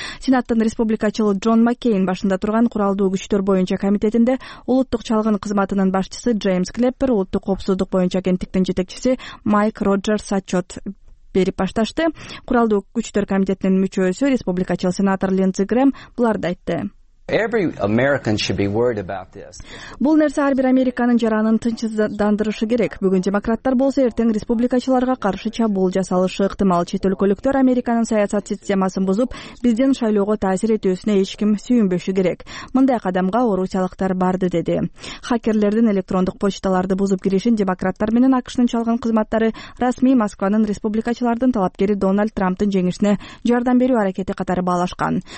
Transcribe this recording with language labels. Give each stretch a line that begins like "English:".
Kyrgyz: Сенаттын республикачыл Джон Маккейн башында турган куралдуу күчтөр боюнча комитетинде улуттук чалгын кызматынын башчысы Джеймс Клеппер, улуттук коопсуздук боюнча агенттиктин жетекчиси Майк Роджерс отчет берип башташты. Куралдуу күчтөр комитетинин мүчөсү республикачыл сенатор Линдси Грэм буларды айтты.
English: Every American should be worried about this.
Kyrgyz: Бул нерсе ар бир американын жаранын тынчсыздандырышы керек. Бүгүн демократтар болсо, эртең республикачыларга каршы чабуул жасалышы ыктымал. Чет өлкөлүктөр Американын саясат системасын бузуп, биздин шайлоого таасир этүүсүнө эч ким сүйүнбөшү керек. Мындай кадамга орусиялыктар барды деди. Хакерлердин электрондук почталарды бузуп киришин демократтар менен АКШнын чалган кызматтары расмий Москванын республикачылардын талапкери Дональд Трамптын жеңишине жардам берүү аракети катары баалашкан.